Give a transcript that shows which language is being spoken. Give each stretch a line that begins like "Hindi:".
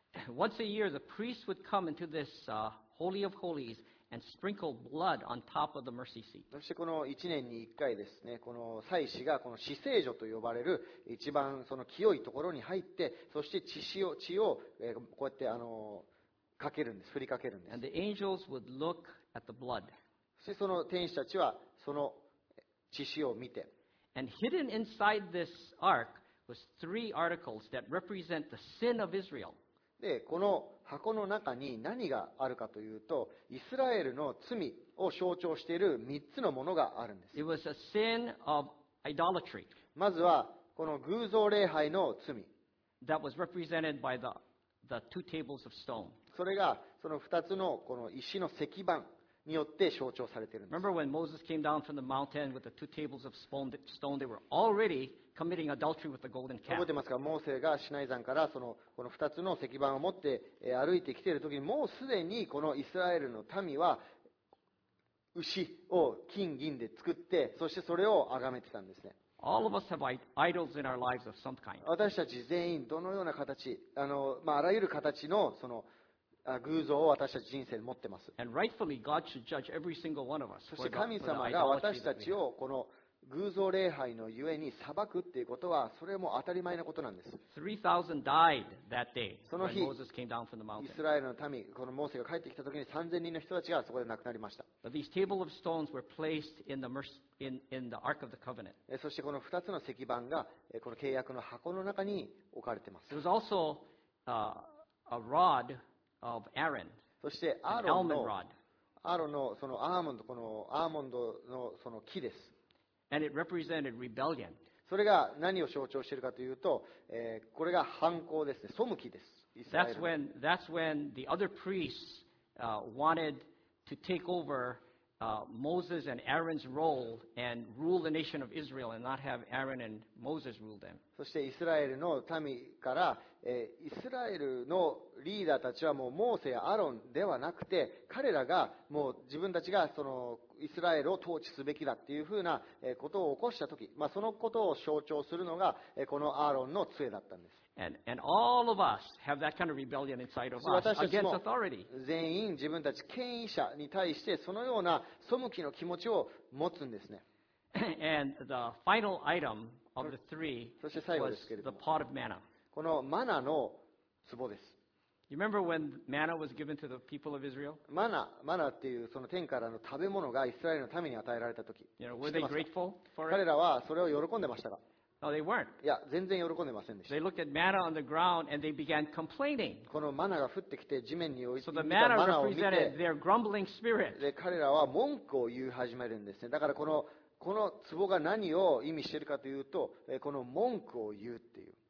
English: Once a year, the priest would come into this holy of holies and sprinkle blood on top of the mercy seat.
Japanese: そしてこの1年に1回ですね、この祭司がこの至聖所と呼ばれる一番その清いところに入って、そして血をこうやってかけるんです、振りかけるんです。
English: And the angels would look at the blood.
Japanese: そしてその天使たちはその血潮を見て。
English: And hidden inside this ark was three articles that represent the sin of Israel.
Japanese: で、この箱の中に何があるかというと、イスラエルの罪を象徴している三つのものがあるんです。
English: It was a sin of idolatry.
Japanese: まずはこの偶像礼拝の罪。
English: That was represented by the two tables of stone.
Japanese: それがその二つのこの石の石板。によって象徴されているんです。
English: Remember when Moses came down from the mountain with the two tables of stone, they were already committing adultery with the golden calf.
Japanese: 覚えてますか？モーセがシナイ山からそのこの二つの石板を持って歩いてきているときに、もうすでにこのイスラエルの民は牛を金銀で作って、そしてそれを崇めてたんですね。
English: All of us have idols in our lives of some kind.
Japanese: 私たち全員どのような形、あらゆる形のその偶像を私たち人生に持ってます。
English: And rightfully, God should judge every single one of us.
Japanese: そして神様が私たちをこの偶像礼拝のゆえに裁くっていうことは、それも当たり前のことなんです。
English: 3,000 died that day.
Japanese: その日、
English: Moses came down from the mountain.
Japanese: イスラエルの民、このモーセが帰ってきた時に3,000人の人たちがそこで亡くなりました。
English: But these table of stones were placed in the mercy, in the ark of the covenant.
Japanese: そしてこの2つの石板がこの契約の箱の中に置かれてます。
English: There was also a rod. Of Aaron,
Japanese: そしてアーロンの、アーロンのそのアーモンド、このアーモンドのその木です。
English: And it represented rebellion.
Japanese: それが何を象徴しているかというと、これが反抗ですね、背きです。
English: That's when the other priests, wanted to take over, Moses and Aaron's role and rule the nation of Israel and not have Aaron and Moses rule them.
Japanese: そしてイスラエルの民から、イスラエルのリーダーたちはもうモーセやアロンではなくて、彼らがもう自分たちがそのイスラエルを統治すべきだっていうふうなことを起こしたとき、まあ、そのことを象徴するのがこのアーロンの杖だったんです。
English: And all of us have that kind of rebellion inside of us against authority.
Japanese: 全員自分たち権威者に対してそのような背きの気持ちを持つんですね。
English: And the final item of the three was the pot of manna.
Japanese: そして最後ですけれども、このマナの壺です。
English: You remember when manna was given to the people of Israel?
Japanese: マナっていうその天からの食べ物がイスラエルの民に与えられた時。
English: You know, were they grateful for it?
Japanese: 彼らはそれを喜んでましたか？
English: No, they weren't.
Japanese: いや、全然喜んでませんでした。
English: They looked at manna on the ground and they began complaining.
Japanese: このマナが降ってきて地面に置いて、
English: so the manna represented their grumbling spirit.
Japanese: で、彼らは文句を言い始めるんですね。だからこの壺が何を意味しているかというと、この文句を言うっていう。